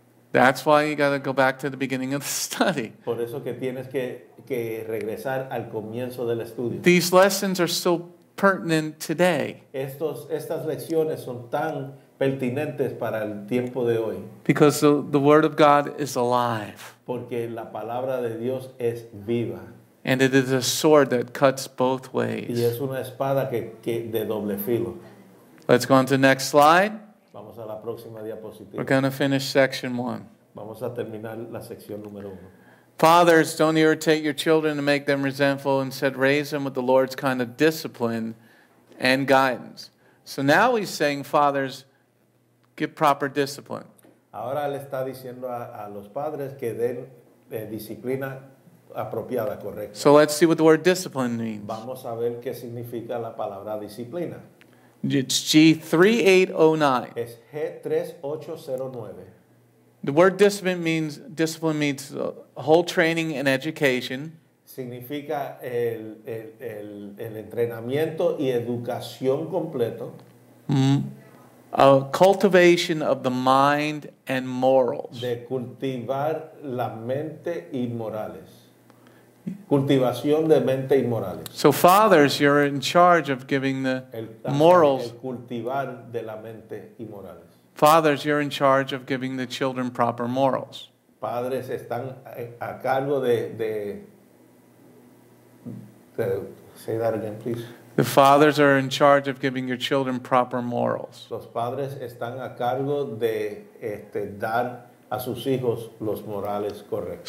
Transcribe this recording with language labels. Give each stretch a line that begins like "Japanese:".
English: That's why you got to go back to the beginning of the study.
Spanish: Por eso que tienes que regresar al comienzo del estudio.
English: These lessons are so pertinent today.
Spanish: Estas lecciones son tan pertinentes para el tiempo de hoy.
English: Because the word of God is alive.
Spanish: Porque la palabra de Dios es viva.
English: And it is a sword that cuts both ways.
Spanish: Y es una espada que de doble filo.
English: Let's go on to the next slide.
Spanish: Vamos a la próxima diapositiva.
English: We're going to finish section one.
Spanish: Vamos a terminar la sección número uno.
English: Fathers, don't irritate your children and make them resentful. Instead, raise them with the Lord's kind of discipline and guidance. So now he's saying, fathers, give proper discipline.
Spanish: Ahora le está diciendo a los padres que den disciplina apropiada, correcta.
English: So let's see what the word discipline means.
Spanish: Vamos a ver qué significa la palabra disciplina.
English: It's G3809.
Spanish: Es G3809.
English: The word discipline means whole training and education.
Spanish: Significa el entrenamiento y educación completo.
English: A cultivation of the mind and morals.
Spanish: De cultivar la mente y morales. Cultivación de mente y morales.
English: So fathers, you're in charge of giving the morals.
Spanish: El cultivar de la mente y morales.
English: Fathers, you're in charge of giving the children proper morals.
Spanish: Padres están a cargo de
English: say that again, please. The fathers are in charge of giving your children proper morals.
Spanish: Los padres están a cargo de dar a sus hijos los morales correctos.